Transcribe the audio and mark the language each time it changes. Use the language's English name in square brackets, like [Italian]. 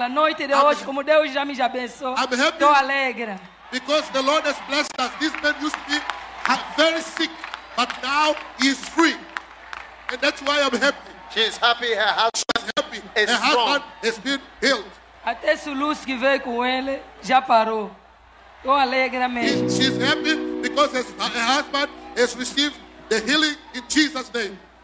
[Portuguese] A noite de hoje, como Deus já me abençoou. [English] I'm happy. [Portuguese] Estou alegre. [English] Because the Lord has blessed us. This man used to be very sick, but now he's free. And that's why I'm happy. She's happy. Her husband happy, is strong. Her hand has been healed. [Portuguese] Até Sulus que veio com ele já parou. Estou alegre mesmo. [English] She's happy because her husband has received the healing in Jesus' name.